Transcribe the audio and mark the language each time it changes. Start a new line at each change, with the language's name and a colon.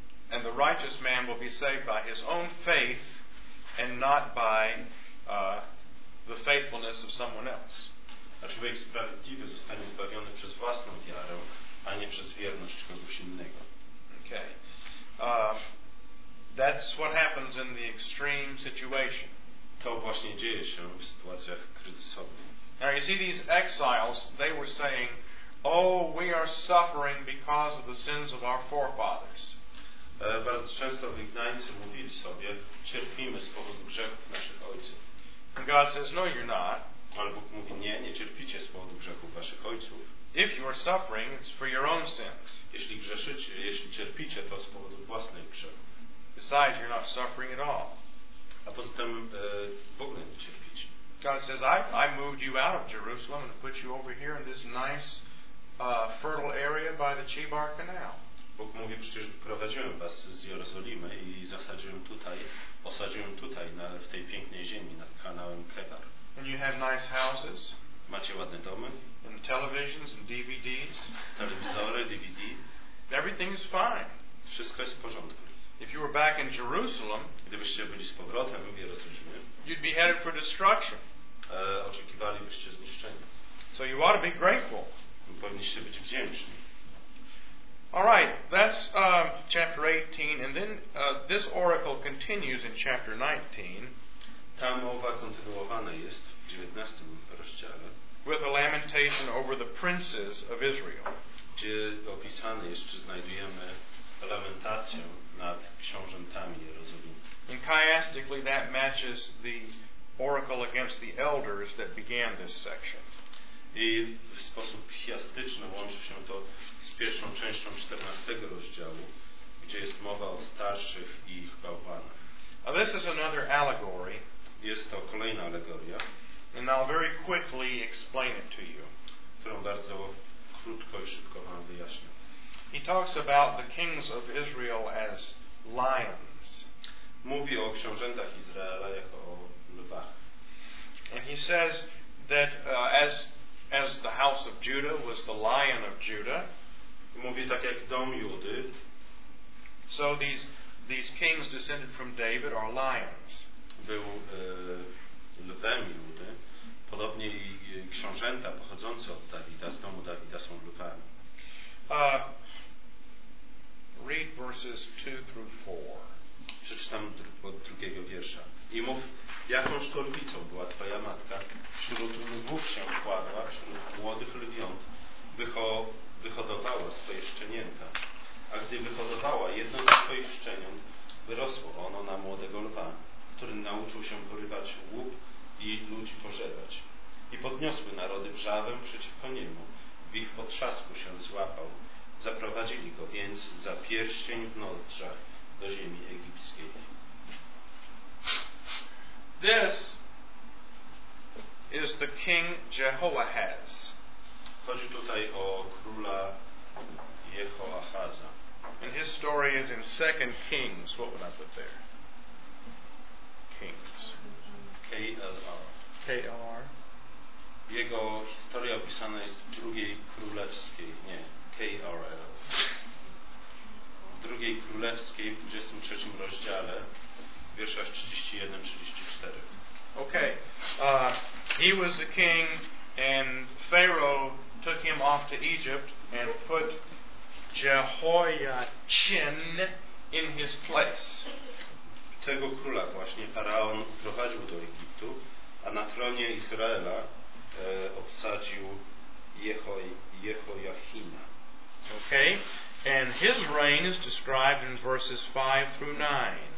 English: And the righteous man will be saved by his own faith and not by the faithfulness of someone else.
Polish: A człowiek sprawiedliwy zostanie zbawiony przez własną wiarę, a nie przez wierność kogoś innego.
English: Okay. That's what happens in the extreme situation.
Polish: To właśnie dzieje się w sytuacjach kryzysowych.
English: Now you see these exiles, they were saying, oh, we are suffering because of the sins of our forefathers.
Polish: Bardzo często wygnańcy mówili sobie, cierpimy z powodu grzechów naszych ojców.
English: And God says, no, you're not.
Polish: Ale Bóg mówi, nie, nie cierpicie z powodu grzechów waszych ojców.
English: If you are suffering, it's for your own sins.
Polish: Jeśli grzeszycie, jeśli cierpicie, to z powodu własnych grzechów.
English: Besides, you're not suffering at all.
Polish: a poza tym Bóg nie cierpić.
English: God says, I moved you out of Jerusalem and put you over here in this nice fertile area by the Chebar Canal.
Polish: Bóg mówi, przecież prowadziłem was z Jerozolimy i zasadziłem tutaj, osadziłem tutaj na, w tej pięknej ziemi nad kanałem Kebar.
English: And you have nice houses.
Polish: Macie ładne domy.
English: And televisions and DVDs.
Polish: Telewizory, DVD.
English: Everything is fine.
Polish: Wszystko jest w porządku.
English: If you were back in Jerusalem,
Polish: gdybyście byli z powrotem w Jerozolimie,
English: you'd be headed for destruction.
Polish: Oczekiwalibyście zniszczenia.
English: So you ought to be grateful.
Polish: Powinniście być wdzięczni.
English: All right, that's chapter 18, and then this oracle continues in chapter 19.
Polish: Ta mowa kontynuowana jest w 19 rozdziale.
English: With a lamentation over the princes of Israel.
Polish: Gdzie opisane jest, czy znajdujemy lamentację nad książętami Jerozolimy.
English: And chiastically that matches the oracle against the elders that began this section.
Polish: I w sposób chiastyczny łączy się to z pierwszą częścią 14 rozdziału, gdzie jest mowa o starszych i ich bałwanach.
English: Now this is another allegory.
Polish: Jest to kolejna alegoria.
English: And I'll very quickly explain it to you.
Polish: Którą bardzo krótko i szybko wam wyjaśnię.
English: He talks about the kings of Israel as lions.
Polish: Mówi o książętach Izraela jako o lwach.
English: And he says that as the house of Judah was the lion of Judah.
Polish: Mówi tak jak dom Judy.
English: So these kings descended from David are lions.
Polish: Był lwem Judy. Podobnie i książęta pochodzące od Dawida, z domu Dawida są lwami.
English: Read verses 2-4.
Polish: Przeczytam od drugiego wiersza. I mów, jakąż to lwicą była twoja matka, wśród lwów się kładła, wśród młodych lwiąt, wyhodowała swoje szczenięta. A gdy wyhodowała jedno z swoich szczeniąt, wyrosło ono na młodego lwa, który nauczył się porywać łup i ludzi pożerać. I podniosły narody wrzawę przeciwko niemu, w ich potrzasku się złapał. Zaprowadzili go więc za pierścień w nozdrzach do ziemi egipskiej.
English: This is the king Jehoahaz.
Polish: Chodzi tutaj o króla Jehoahaza.
English: And his story is in 2 Kings. What would I put there? Kings. K-L-R. K-L-R.
Polish: Jego historia opisana jest w drugiej królewskiej. Nie. K-R-L. W drugiej królewskiej w 23 rozdziale w wierszach 31-34.
English: Okay. He was the king and Pharaoh took him off to Egypt and put Jehoiachin in his place.
Polish: Tego króla właśnie Faraon prowadził do Egiptu, a na tronie Izraela obsadził Jehoiachina.
English: Okay, and his reign is described in verses 5-9.